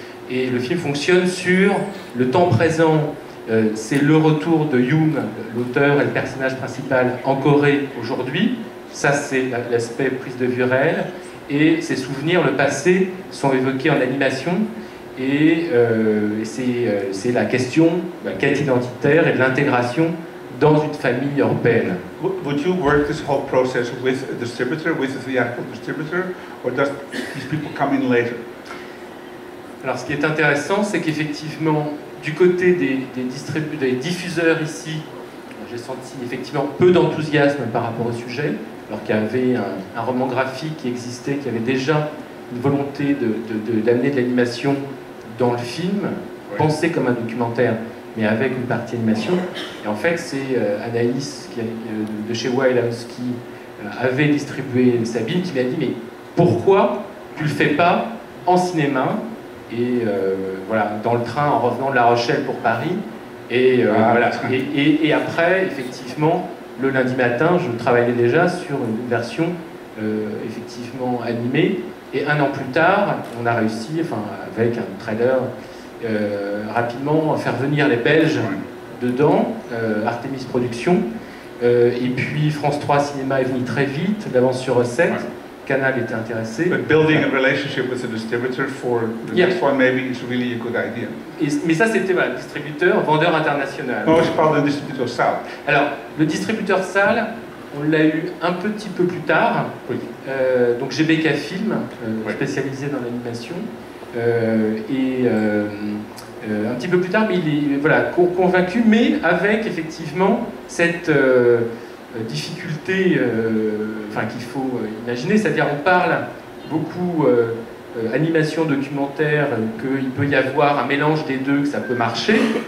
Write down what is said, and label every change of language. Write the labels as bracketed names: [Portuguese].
[French] Et le film fonctionne sur le temps présent, c'est le retour de Yoon, l'auteur et le personnage principal, en Corée aujourd'hui. Ça, c'est l'aspect prise de vue réelle. Et ses souvenirs, le passé, sont évoqués en animation. Et c'est la question de la quête identitaire et de l'intégration dans une famille européenne. [English] Would you work this whole process with a distributor, with a theatrical distributor, or does these people come in later? [French] Alors, ce qui est intéressant, c'est qu'effectivement, du côté des diffuseurs ici, j'ai senti effectivement peu d'enthousiasme par rapport au sujet, alors qu'il y avait un roman graphique qui existait, qui avait déjà une volonté d'amener de l'animation dans le film, pensé comme un documentaire, mais avec une partie animation. Et en fait, c'est Anaïs, de chez Wild House, qui avait distribué Sabine, qui m'a dit, mais pourquoi tu le fais pas en cinéma? Et voilà, dans le train, en revenant de La Rochelle pour Paris. Et et après, effectivement, le lundi matin, je travaillais déjà sur une version effectivement animée. Et un an plus tard, on a réussi, enfin, avec un trailer, rapidement, à faire venir les Belges dedans, Artemis Productions. Et puis France 3 Cinéma est venu très vite, d'avance sur recette. Canal était intéressé. [English] But building a relationship with the distributor for the next one, maybe it's really a good idea. [French] Mais ça, c'était voilà, distributeur, vendeur international. Non, je parle de distributeur salle. Alors, le distributeur salle, on l'a eu un petit peu plus tard. Oui. Donc, GBK Film, spécialisé dans l'animation. Un petit peu plus tard, mais il est voilà, convaincu, mais avec effectivement cette difficulté qu'il faut imaginer, c'est-à-dire on parle beaucoup animation, documentaire, qu'il peut y avoir un mélange des deux, que ça peut marcher.